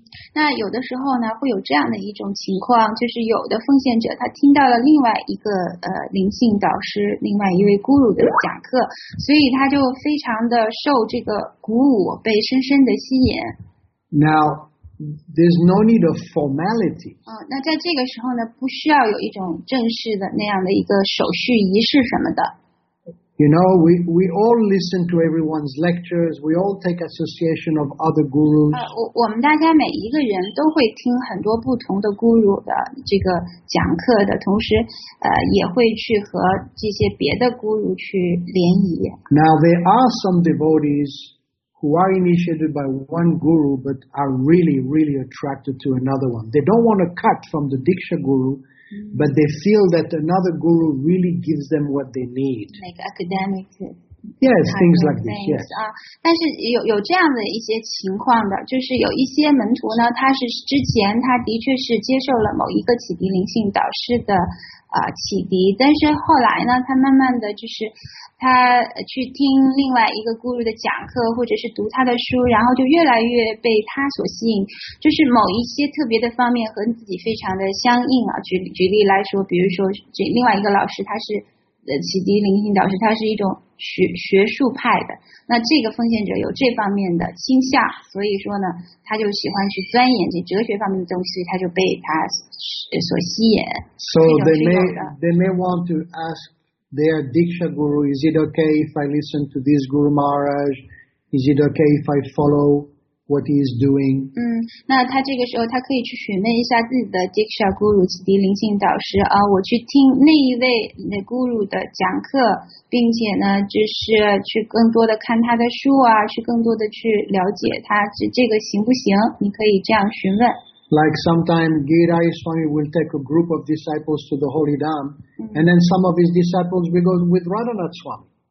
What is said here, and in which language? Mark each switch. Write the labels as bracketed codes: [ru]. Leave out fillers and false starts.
[zh] 那有的时候呢，会有这样的一种情况，就是有的奉献者他听到了另外一个灵性导师，另外一位 guru 的讲课，所以他就非常的受这个鼓舞，被深深的吸引。 [en] Now, there's no need of formality. [zh] 那在这个时候呢，不需要有一种正式的那样的一个手续仪式什么的。 [en] You know, we all listen to everyone's lectures. We all take association of other gurus. [zh] 我们大家每一个人都会听很多不同的 guru 的这个讲课的，同时也会去和这些别的 guru 去联谊。 [en] Now there are some devotees who are initiated by one guru but are really, really attracted to another one. They don't want to cut from the Diksha guru. But they feel that another guru really gives them what they need. Like academic. Yes, things like this. Yes. [zh] 但是有这样的一些情况的，就是有一些门徒呢，他是之前他的确是接受了某一个启迪灵性导师的启迪，但是后来呢，他慢慢的就是他去听另外一个 guru 的讲课，或者是读他的书，然后就越来越被他所吸引，就是某一些特别的方面和自己非常的相应啊。举例来说，比如说这另外一个老师，他是启迪灵性导师，他是一种学术派的，那这个奉献者有这方面的倾向，所以说呢，他就喜欢去钻研这哲学方面的东西，他就被他所吸引。 [en] So they may want to ask their Diksha guru, is it okay if I listen to this Guru Maharaj? Is it okay if I follow what he is doing? [zh] 那他这个时候他可以去询问一下自己的 Diksha guru, 启迪灵性导师啊，我去听那一位那 guru 的讲课，并且呢，就是去更多的看他的书啊，去更多的去了解他，这个行不行？你可以这样询问。 [en] Like sometimes Giri Swami will take a group of disciples to the Holy Dham, and then some of his disciples will go with Radhanath Swami.